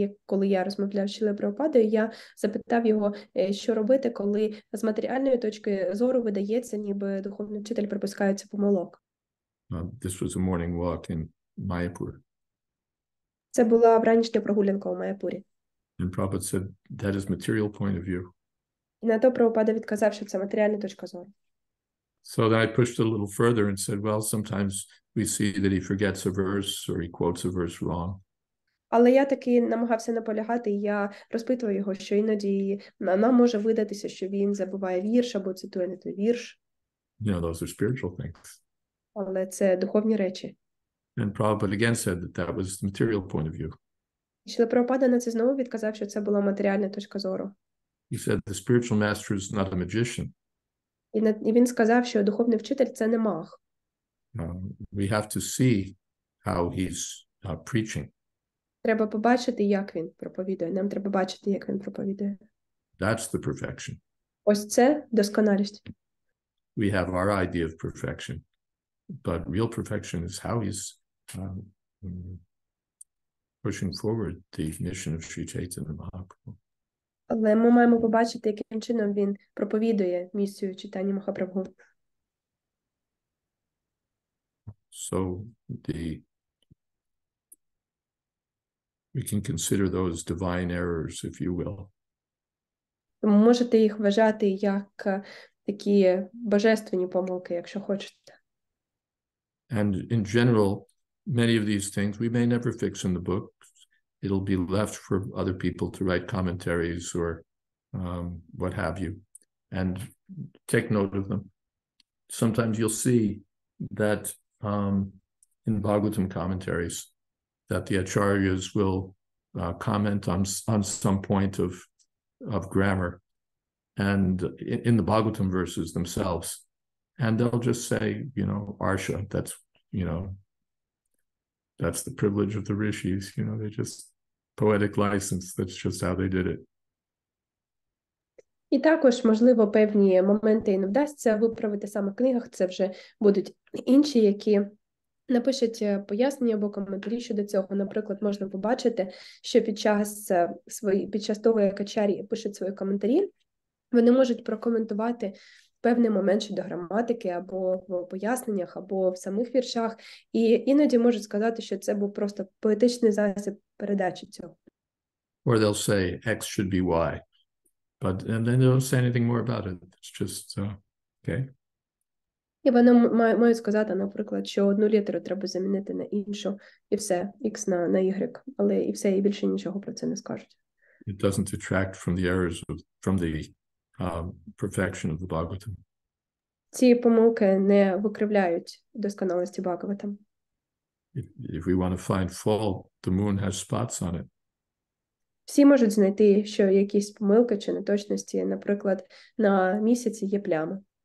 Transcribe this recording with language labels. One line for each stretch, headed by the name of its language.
Ukrainian: Коли я розмовляв з Шрілою Прабхупадою, я запитав його, що робити, коли з матеріальної точки зору видається, ніби духовний вчитель припускається помилок.
English: This was a morning walk in Майяпур.
Ukrainian: Це була вранішня прогулянка у Майяпурі.
English: And Prabhupada said, that is material point of view.
Ukrainian: І на то Прабхупада відказав, що це матеріальна точка зору.
English: So then I pushed a little further and said, well, sometimes we see that he forgets a verse or he quotes a verse wrong.
Ukrainian: Але я таки намагався наполягати, я розпитував його, що іноді нам може видатися, що він забуває вірш або цитує не той вірш.
English: You know, those are spiritual things.
Ukrainian: Але це духовні речі.
English: And Prabhupada again said that that was the material point of view.
Ukrainian: Шіла Прабхупада на це знову відказав, що це була матеріальна точка зору.
English: He said the spiritual master is not a magician.
Ukrainian: І він сказав, що духовний вчитель – це не маг.
English: We have to see how he's preaching.
Ukrainian: Треба побачити, як він проповідує. Нам треба бачити, як він проповідує.
English: That's the perfection.
Ukrainian: Ось це досконалість.
English: We have our idea of perfection. But real perfection is how he's pushing forward the mission of Sri Chaitanya Mahaprabhu.
Ukrainian: Але ми маємо побачити, яким чином він проповідує місію читання Махапрабху.
English: So we can consider those divine errors, if you will.
Ukrainian: Ви можете їх вважати як такі божественні помилки, якщо хочете.
English: And in general, many of these things we may never fix in the book. It'll be left for other people to write commentaries or what have you, and take note of them. Sometimes you'll see that in Bhagavatam commentaries, that the acharyas will comment on some point of grammar, and in the Bhagavatam verses themselves, and they'll just say, you know, Arsha, that's, you know, that's the privilege of the rishis, you know, they just poetic license, that's just how they did it.
Ukrainian: І також, можливо, певні моменти і не вдасться виправити саме в книгах, це вже будуть інші, які напишуть пояснення або коментарі щодо цього. Наприклад, можна побачити, що під час того, як Ачарі пишуть свої коментарі, вони можуть прокоментувати певний момент щодо граматики або в поясненнях, або в самих віршах. І іноді можуть сказати, що це був просто поетичний засіб передачі цього.
English: Or they'll say, X should be Y. But and then they don't say anything more about it. It's just okay.
Ukrainian: І вони мають сказати, наприклад, що одну літеру треба замінити на іншу, і все, X на Y, але і все, і більше нічого про це не скажуть.
English: It doesn't detract from the errors of perfection of the Bhagavatam.
Ukrainian: Ці помилки не викривляють досконалості Бхагаватам.
English: If we want to find fault, the moon has spots on it.
Ukrainian: Всі можуть знайти, що якісь помилки чи неточності, наприклад, на місяці є плями.